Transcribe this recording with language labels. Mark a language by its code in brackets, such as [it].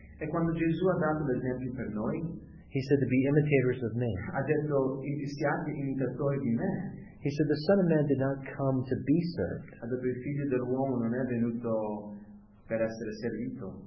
[it] e quando Gesù ha dato l'esempio per noi, [en] he said to be imitators of me. [it] Ha detto siate imitatori di me. [en] He said the Son of Man did not come to be served. [it] Ha detto il figlio dell'uomo non è venuto per essere servito,